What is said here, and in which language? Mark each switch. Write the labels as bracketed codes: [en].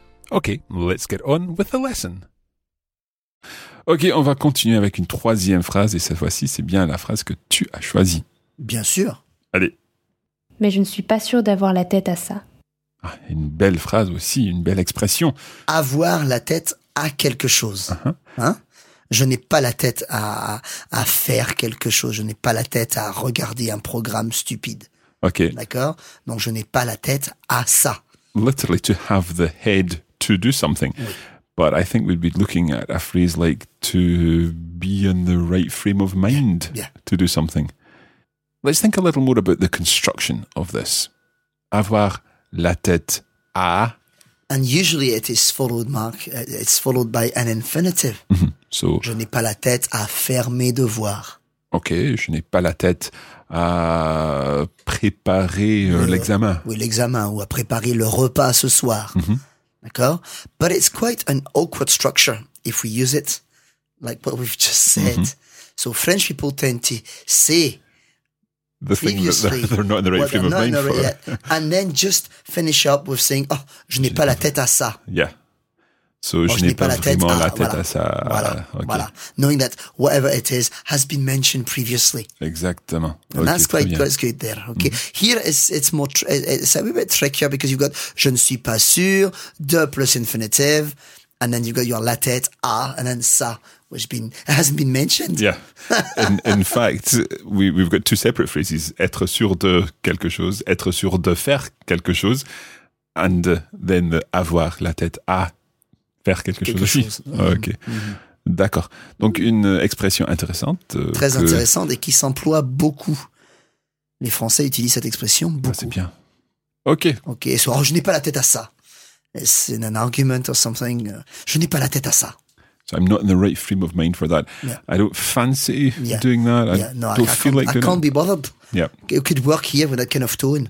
[en] Ok, let's get on with the lesson. [fr] Ok, on va continuer avec une troisième phrase et cette fois-ci, c'est bien la phrase que tu as choisie. Bien sûr. Allez. Mais je ne suis pas sûr d'avoir la tête à ça. Ah, une belle phrase aussi, une belle expression. Avoir la tête à quelque chose. Uh-huh. Hein? Je n'ai pas la tête à faire quelque chose. Je n'ai pas la tête à regarder un programme stupide. Ok. D'accord? Donc, je n'ai pas la tête à ça. [en] Literally, to have the head to do something. [fr] Oui. [en] But I think we'd be looking at a phrase like to be in the right frame of mind to do something. Let's think a little more about the construction of this. [fr] Avoir la tête à. [en] And usually it is followed, Mark. It's followed by an infinitive. Mm-hmm. So, [fr] je n'ai pas la tête à faire mes devoirs. Ok, je n'ai pas la tête à préparer l'examen. Oui, l'examen ou à préparer le repas ce soir. Mm-hmm. D'accord? [en] But it's quite an awkward structure if we use it like what we've just said. Mm-hmm. So French people tend to say the thing that they're not in the right frame of mind for. Yet. And then just finish up with saying, oh, [fr] je n'ai pas la tête à ça. [en] Yeah. So, oh, [fr] je n'ai pas vraiment la tête à ça. Voilà, okay. Voilà. [en] Knowing that whatever it is has been mentioned previously. [fr] Exactement. [en] And okay, that's quite good there. Okay. Mm. Here, it's a bit trickier because you've got [fr] je ne suis pas sûr, [en] de plus infinitive, and then you've got your la tête à, and then ça. Hasn't been mentioned. Yeah. In fact, we've got two separate phrases. Être sûr de quelque chose, être sûr de faire quelque chose, and then avoir la tête à faire quelque chose aussi. Ok. Mm-hmm. D'accord. [fr] Donc, une expression intéressante. Très intéressante et qui s'emploie beaucoup. Les Français utilisent cette expression beaucoup. Ah, c'est bien. Ok. Ok. Soit, je n'ai pas la tête à ça. [en] It's in an argument or something. [fr] Je n'ai pas la tête à ça. [en] So I'm not in the right frame of mind for that. Yeah. I don't fancy doing that. I don't feel like I can be bothered. Yeah. It could work here with that kind of tone.